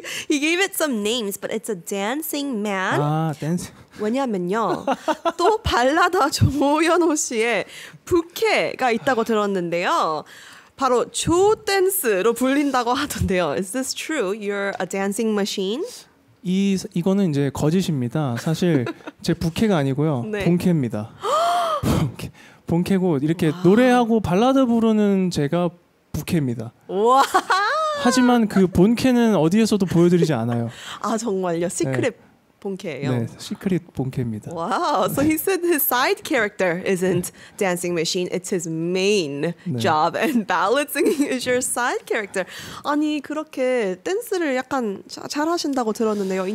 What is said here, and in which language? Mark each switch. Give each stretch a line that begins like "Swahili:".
English: He gave it some names, but it's a dancing man.
Korean: 아,
English: dancing.
Korean: 왜냐면요. 또 발라드 조현호 씨의 부캐가 있다고 들었는데요. 바로 조 댄스로 불린다고 하던데요.
English: Is this true? You're a dancing machine?
Korean: 이거는 이제 거짓입니다. 사실 제 부캐가 아니고요. 네. 본캐입니다. 본캐. 본캐고 이렇게 와. 노래하고 발라드 부르는 제가 부캐입니다. 와. 하지만 그 본캐는 어디에서도 보여드리지 않아요. 아, 정말요? 시크릿 네. 본캐예요? 네, 시크릿 본캐입니다.
English: 와, wow. so 네. he said his side character isn't 네. dancing machine, it's his main 네. job, and ballad singing is your side character.
Korean: 아니, 그렇게 댄스를 약간 잘 하신다고 들었는데요.